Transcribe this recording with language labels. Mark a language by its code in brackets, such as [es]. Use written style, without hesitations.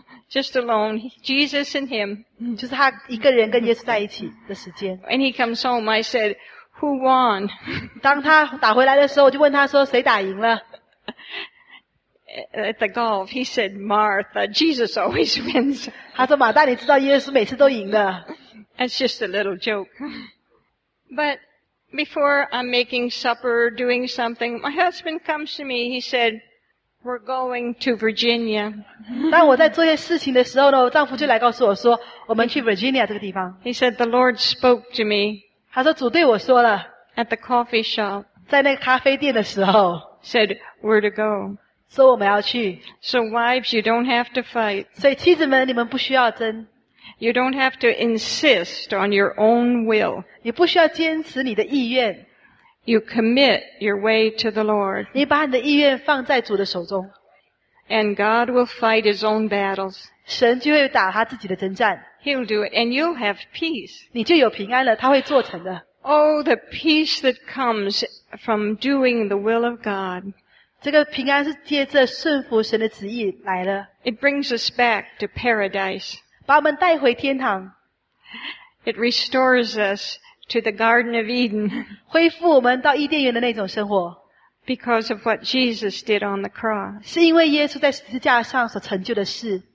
[en] Just alone, Jesus and him. [zh] 就是他一个人跟耶稣在一起的时间。 [en] When he comes home, I said, "Who won?" [zh] 当他打回来的时候，我就问他说谁打赢了。 [en] At the golf, he said, "Martha, Jesus always wins." [zh] 他说马大，你知道耶稣每次都赢的。 [en] It's just a little joke. But before I'm making supper, doing something, my husband comes to me. He said, "We're going to Virginia." [zh] 当我在做些事情的时候呢，我丈夫就来告诉我说，我们去 Virginia 这个地方。 [en] He said, "The Lord spoke to me." [zh] 他说主对我说了。 [en] At the coffee shop. [zh] 在那个咖啡店的时候。 [en] Said, "Where to go?" [zh] 说我们要去。 [en] So wives, you don't have to fight. [zh] 所以妻子们，你们不需要争。 [en] You don't have to insist on your own will. [zh] 你不需要坚持你的意愿。 [en] You commit your way to the Lord. [zh] 你把你的意愿放在主的手中。 [en] And God will fight His own battles. [zh] 神就会打他自己的征战。 [en] He'll do it, and you'll have peace. [zh] 你就有平安了，他会做成的。 [en] Oh, the peace that comes from doing the will of God. [zh] 这个平安是借着顺服神的旨意来的。 [en] It brings us back to paradise. [zh] 把我们带回天堂。 [en] It restores us to the Garden of Eden. [zh] 恢复我们到伊甸园的那种生活。 [en] Because of what Jesus did on the cross. [zh] 是因为耶稣在十字架上所成就的事。